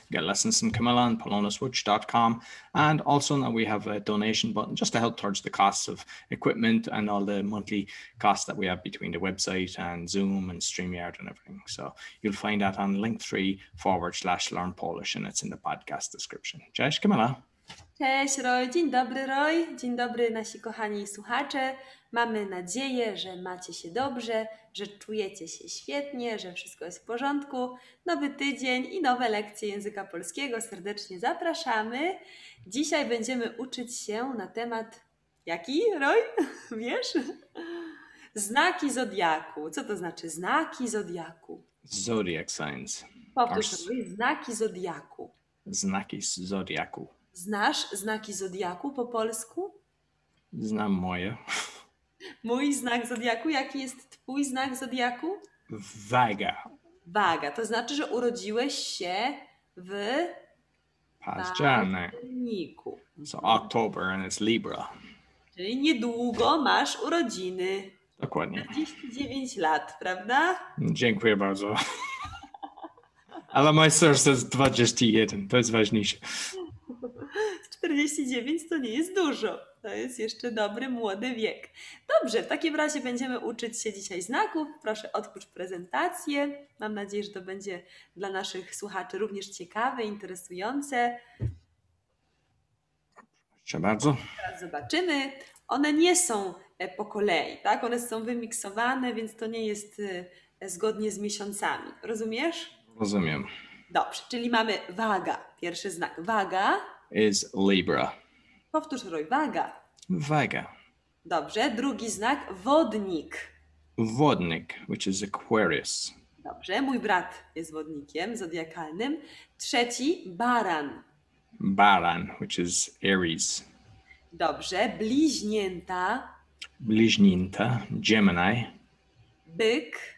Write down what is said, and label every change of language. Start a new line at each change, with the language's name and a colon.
English: Get lessons from Camilla and polonaswitch.com. And also now we have a donation button just to help towards the costs of equipment and all the monthly costs that we have between the website and Zoom and StreamYard and everything. So you'll find that on link3/learnpolish and it's in the podcast description.
Polish: Cześć, Camilla. Cześć Roy, dzień dobry Roy, dzień dobry nasi kochani słuchacze. Mamy nadzieję, że macie się dobrze, że czujecie się świetnie, że wszystko jest w porządku. Nowy tydzień i nowe lekcje języka polskiego. Serdecznie zapraszamy. Dzisiaj będziemy uczyć się na temat... Jaki, Roy? Wiesz? Znaki zodiaku. Co to znaczy znaki zodiaku?
English: Zodiac signs.
Polish: Powtórz, znaki zodiaku. Znaki zodiaku. Znasz znaki zodiaku po polsku? Znam moje. Mój znak zodiaku? Jaki jest twój znak zodiaku? Waga. Waga, to znaczy, że urodziłeś się w... październik.
English: So October and it's Libra.
Polish: Czyli niedługo masz urodziny. Dokładnie. 49 lat, prawda? Dziękuję bardzo. Ale mój serce jest 21, to jest ważniejsze. 49 to nie jest dużo. To jest jeszcze dobry, młody wiek. Dobrze, w takim razie będziemy uczyć się dzisiaj znaków. Proszę, otwórz prezentację. Mam nadzieję, że to będzie dla naszych słuchaczy również ciekawe, interesujące. Proszę bardzo. Teraz zobaczymy. One nie są po kolei, tak? One są wymiksowane, więc to nie jest zgodnie z miesiącami. Rozumiesz? Rozumiem. Dobrze, czyli mamy waga. Pierwszy znak. Waga.
English: Is Libra.
Polish: Powtórz, Roy, waga. Waga. Dobrze, drugi znak, wodnik.
English: Wodnik, which is Aquarius.
Polish: Dobrze, mój brat jest wodnikiem zodiakalnym. Trzeci, baran.
English: Baran, which is Aries.
Polish: Dobrze, bliźnięta. Bliźnięta, Gemini. Byk.